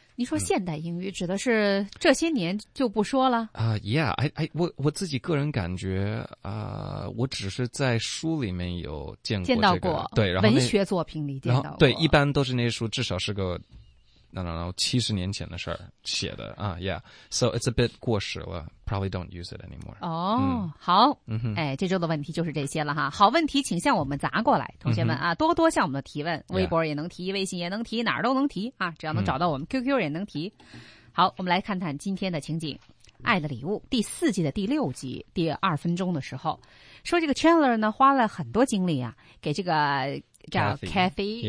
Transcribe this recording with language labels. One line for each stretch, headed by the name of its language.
Chinese: 你说现代英语指的是这些年就不说了啊、yeah， 我自己个人感觉我只是在书里面有见过、这个、见到过，对，然后文学作品里见到过，对，一般都是那书至少是个
English: I don't know,
Chinese: 70年前的事儿写的啊、yeah.
English: So it's a bit
Chinese: 过时了
English: Probably don't use it anymore.
Chinese: 哦、oh, 嗯、好、嗯、哎，这周的问题就是这些了哈。好问题请向我们砸过来，同学们啊、嗯、多多向我们的提问，微博也能提、yeah. 微信也能提，哪儿都能提啊，只要能找到我们、嗯、QQ 也能提。好，我们来看看今天的情景，爱的礼物第四季的第六集第二分钟的时候，说这个 Chandler 呢花了很多精力啊，给这个叫 Cathy、